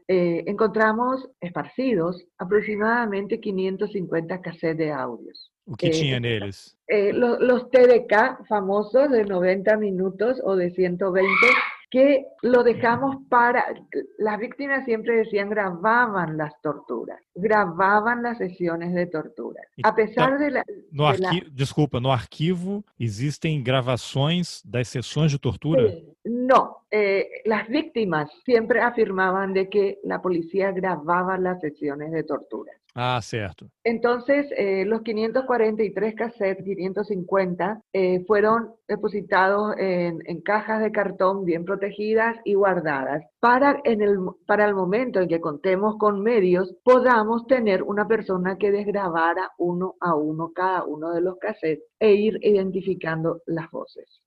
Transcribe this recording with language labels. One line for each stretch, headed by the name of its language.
Spanish: Encontramos esparcidos aproximadamente 550 cassettes de audios.
Portuguese: O que tinha neles?
Spanish: Los TDK famosos de 90 minutos o de 120, que lo dejamos para. Las víctimas siempre decían grababan las torturas, grababan las sesiones de tortura. A pesar de la.
Portuguese: No arquivo, desculpa, no arquivo existem gravações das sessões de tortura?
Spanish: Sí. No, las víctimas siempre afirmaban de que la policía grababa las sesiones de tortura. Ah, cierto. Entonces, los 543 cassettes, 550, fueron depositados en cajas de cartón bien protegidas y guardadas para el momento en que contemos con medios, podamos tener una persona que desgrabara uno a uno cada uno de los cassettes e ir identificando las voces.